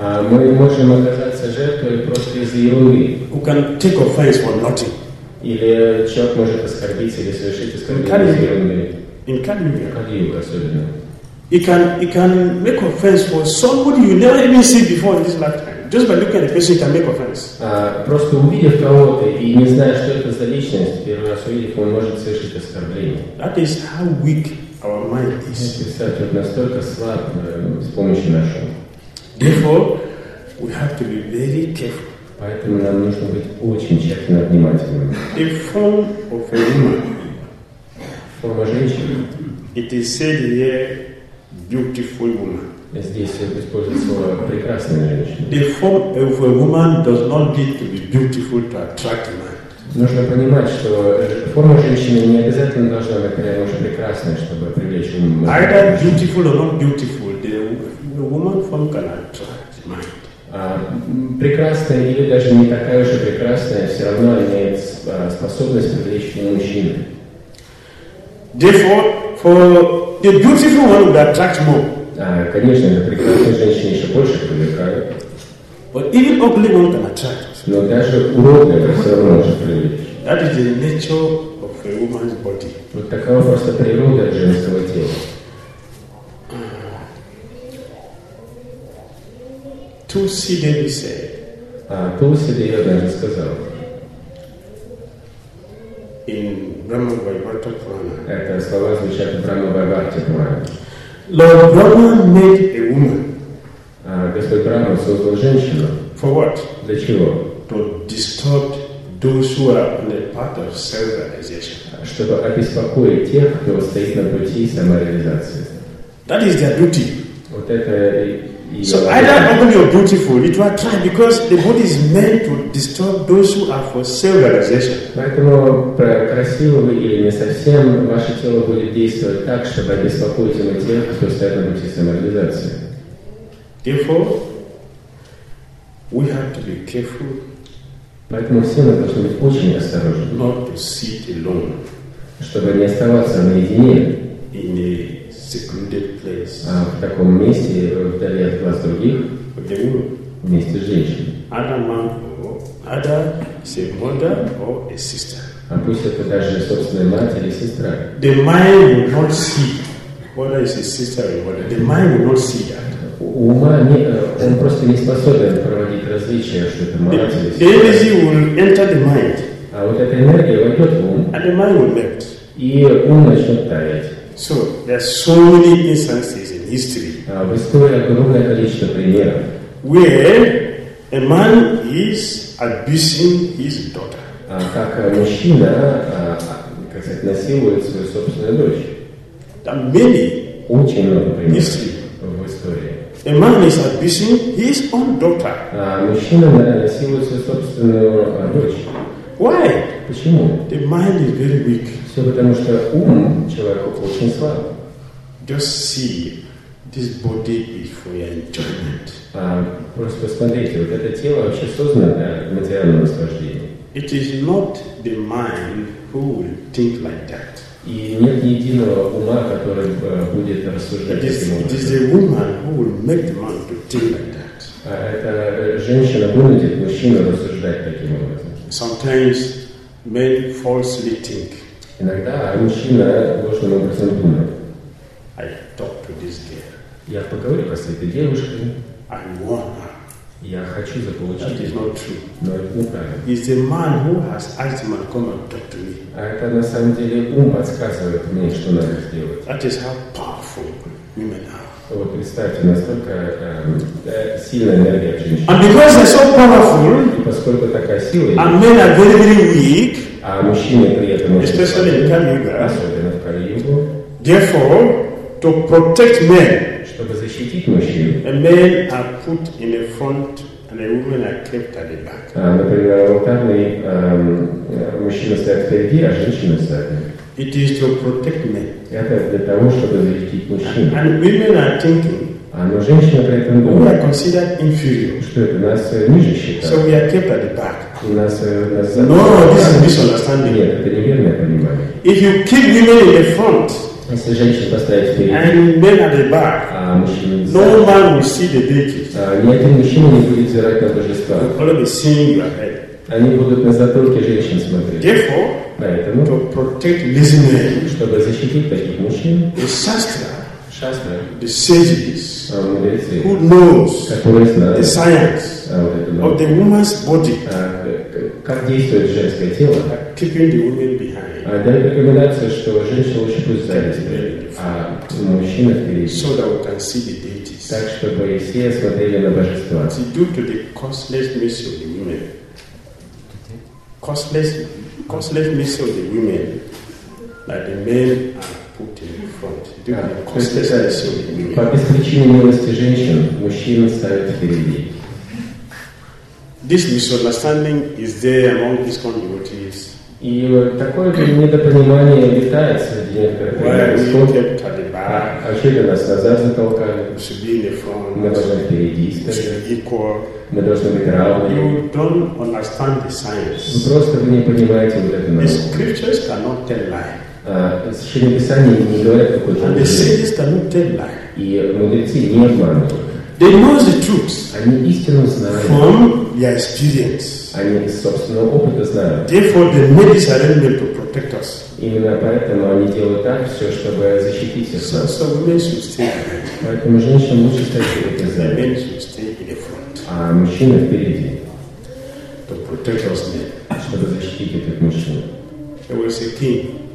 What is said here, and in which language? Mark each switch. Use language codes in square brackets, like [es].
[ru] Мы можем оказаться жертвой просто из-за ерунды. [en] Who can take offense for nothing? [ru] Или человек может оскорбиться или совершить оскорбление из-за ерунды. [en] In Kaliyuga [ru] особенно. [en] He can make offense for somebody you never even see before in this lifetime. Just by looking at the person, he can make offense. [ru] Просто увидев кого-то и не зная, что это за личность, первый раз увидев, он может совершить оскорбление. [en] That is how weak. Our mind is. [ru] Представьте, настолько слаб с помощью нашего. [en] Therefore, we have to be very careful. [ru] Поэтому нам нужно быть очень тщательно внимательными. [en] The form of a woman. [ru] Форма женщины. [en] It is said here, beautiful woman. [ru] Здесь используется слово прекрасная женщина. [en] The form of a woman does not need to be beautiful to attract a man. [ru] Нужно понимать, что форма женщины не обязательно должна быть прямо уж прекрасной, чтобы привлечь мужчину. [en] Either beautiful or not beautiful, the woman from can attract the mind. [ru] Прекрасная или даже не такая уж прекрасная, все равно имеет способность привлечь мужчину. [en] Therefore, for the beautiful one would attract more. [ru] Конечно, для прекрасной женщины еще больше привлекают. [en] But even ugly one can attract. [ru] Но даже уродливая все равно может привлечь. [en] That is the nature of a woman's body. [ru] Вот такова просто природа женского тела. [en] Tulsi Devi said. [ru] Tulsi Devi даже сказал. [en] In Brahma Vaivarta Purana. [ru] Это слова звучат в Брахма Вайварта Пурана. [en] Lord Brahma made a woman. [ru] Господь Брахма создал женщину. [en] For what? [ru] Для чего? [en] To disturb those who are on the path of self-realization. [ru] Чтобы обеспокоить тех, кто стоит на пути самореализации. [en] That is their duty. [ru] Вот это [en] So either ugly or beautiful, it will try because the body is meant to disturb those who are for self-realization. [ru] Поэтому красивым или не совсем ваше тело будет действовать так, чтобы обеспокоить им тех, кто стоит на пути самореализации. [en] Therefore. We have to be careful. [ru] Поэтому все мы должны быть очень осторожны. [en] Not to sit alone. [ru] Чтобы не оставаться наедине. [en] In a secluded place. [ru] В таком месте, вдали от глаз других. [en] Okay. [ru] Вместе с женщиной. [en] Other man or other is a mother or a sister. [ru] А пусть это даже собственная мать или сестра. [en] The mind will not see whether it's a sister or mother. The mind will not see that. [ru] Ума не, он просто не способен проводить различия, что это мать или сестра. [en] The energy will enter the mind. [ru] А вот эта энергия войдет в ум. [en] And the mind will melt. [ru] И ум начнет таять. [en] So there are so many instances in history. [ru] В истории огромное количество примеров. [en] Where a man is abusing his daughter. [ru] Как мужчина, как сказать, насилует свою собственную дочь. [en] There are many. [ru] Очень много примеров в истории. [en] A man is abusing his own daughter. [ru] Мужчина насилует свою собственную дочь. [en] Why? [ru] Почему? [en] The mind is very weak. [ru] Все потому, что ум человека очень слаб. [en] Just see, this body is for your enjoyment. [ru] Просто посмотрите, вот это тело вообще создано для материального наслаждения. [en] It is not the mind who will think like that. [ru] И нет ни единого ума, который будет рассуждать таким образом. [en] It is the woman who will make the man to think like that. [ru] Это женщина вынудит мужчину рассуждать таким образом. [en] Sometimes men falsely think. [ru] Иногда мужчина ложным образом думает. [en] I talked to this girl. [ru] Я поговорил с этой девушкой. [en] I want her. [ru] Я хочу заполучить. [en] That is not true. [ru] Но это неправильно. [en] It's the man who has asked him to come and talk to me. [ru] А это на самом деле ум подсказывает мне, что надо сделать. [en] That is how powerful women are. [ru] Вот представьте, насколько сильная энергия в женщине. [en] And because they're so powerful, [ru] и поскольку такая сила, [en] and men are very, very weak, [ru] а мужчины при этом [en] especially in Kaliyuga, [ru] особенно в Кали-Югу, [en] therefore, to protect men, [ru] чтобы защитить мужчин, [en] a man are put in the front and a woman are kept at the back. [ru] Например, в алтарной мужчина стоит впереди, а женщина сзади. [en] It is to protect men. [ru] Это для того, чтобы защитить мужчин. [en] And women are thinking. [ru] Но женщина при этом думает. [en] We are considered inferior. [ru] Что это нас ниже считают. [en] So we are kept at the back. [ru] И нас [en] no, this is misunderstanding. [ru] Нет, это неверное понимание. [en] If you keep women in the front. [ru] Если женщина поставить впереди. [en] And men at the back. [ru] А мужчины. [en] No man will see the deities. [ru] Ни один мужчина не будет взирать на божества. [en] They will be seeing your head. [ru] Они будут на затылке женщин смотреть. [en] Therefore. [ru] Поэтому, [en] to protect listeners, [ru] чтобы защитить таких мужчин, [en] the shastra, [ru] shastra, [en] the sages, [ru] мудрецы, [en] who knows, [ru] которые знают, [en] the science, of the woman's body, [ru] как действует женское тело, [en] keeping the woman behind, [ru] дали рекомендацию, что женщина лучше пусть сзади, а мужчина впереди, [en] so that we can see the deities, [ru] так чтобы все смотрели на божества. [en] It's due to the costless mercy of the women. Costless mercy of the women, like the men are put in front. Costless mercy of the women. [ru] По беспричине милости женщин, мужчины ставят впереди. [en] This misunderstanding is there among these congregations. [ru] И такое недопонимание обитает среди некоторых. [en] Why are we kept at the back? [ru] А что нас назад затолкали? [en] We should be in the front. [ru] Мы должны впереди стоять. [en] Equal. [ru] Мы должны быть равны. [en] You don't understand the science. [ru] Вы просто не понимаете вот эту науку. [en] The scriptures cannot tell lie. [ru] Священные писания не говорят какой-то [en] lie. And the sages cannot tell lie. [ru] И мудрецы не обманывают. [en] They know the truths. [ru] Они истину знают. [en] From their experience. [ru] Они из собственного опыта знают. [en] Therefore, they made this arrangement to protect us. [ru] Именно поэтому они делают так все, чтобы защитить нас. [en] So women should stay in the front. [ru] Поэтому женщинам лучше стать впереди. [en] The men should stay in the front. [ru] А мужчины впереди. [en] To protect us men. [ru] Чтобы защитить этих мужчин. [en] There was a king.